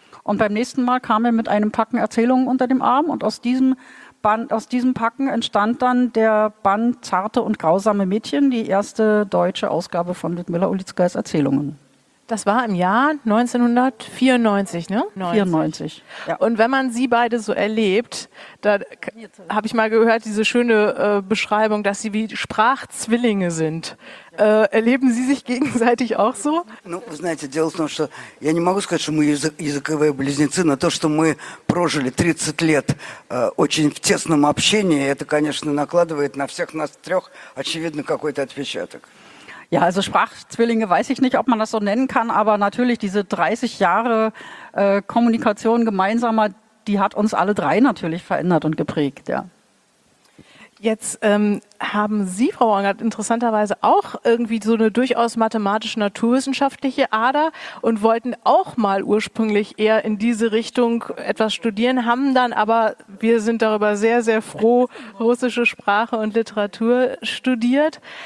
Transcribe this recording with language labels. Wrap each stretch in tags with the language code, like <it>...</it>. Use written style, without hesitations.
<de>Und beim nächsten Mal kam er mit einem Packen Erzählungen unter dem Arm und aus diesem Packen entstand dann der Band Zarte und grausame Mädchen, die erste deutsche Ausgabe von Ludmila Ulitskayas Erzählungen. Das war im Jahr 1994, ne? 94. Ja. Und wenn man sie beide so erlebt, da habe ich mal gehört, diese schöne Beschreibung, dass sie wie Sprachzwillinge sind. Erleben sie sich gegenseitig auch so?</de> <ru>Ну, вы знаете, дело в том, что я не могу сказать, что мы языковые близнецы, но то, что мы прожили 30 лет очень в тесном общении, это, конечно, накладывает на всех нас трех очевидно какой-то отпечаток.</ru> <de>Ja, also Sprachzwillinge weiß ich nicht, ob man das so nennen kann, aber natürlich diese 30 Jahre Kommunikation gemeinsamer, die hat uns alle drei natürlich verändert und geprägt, ja. Jetzt haben Sie, Frau Wangert, interessanterweise auch irgendwie so eine durchaus mathematisch-naturwissenschaftliche Ader und wollten auch mal ursprünglich eher in diese Richtung etwas studieren, haben dann aber, wir sind darüber sehr, sehr froh, russische Sprache und Literatur studiert.</de>